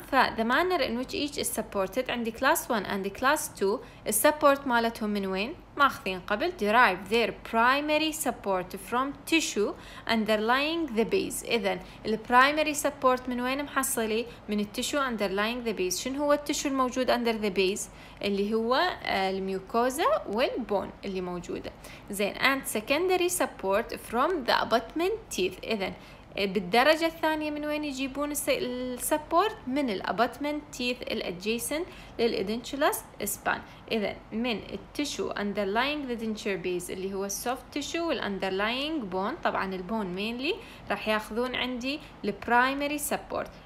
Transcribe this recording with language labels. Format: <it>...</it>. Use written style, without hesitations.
<en>ف the manner in which each is supported</en> <ar>عندي</ar> <en>class 1 and class 2</en> <ar>السبورت مالتهم من وين؟ ماخذين قبل</ar> <en>derive their primary support from tissue underlying the base.</en> <ar>إذن ال primary support من وين محصلي؟ من</ar> <en>tissue underlying the base.</en> <ar>شن هو tissue الموجود</ar> <en>under the base؟</en> <ar>اللي هو الميوكوزا والبون اللي موجودة. زين</ar> <en>and secondary support from the abutment teeth.</en> <ar>إذن بالدرجة الثانية من وين يجيبون السبورت؟ من الابتمنت تيث الادجيسنت للادنتشلس اسبان. اذا من التشو</ar> <en>underlying the denture base</en> <ar>اللي هو السوفت تشو والunderlying بون، طبعا البون مينلي، راح ياخذون عندي البرايمري سبورت.</ar>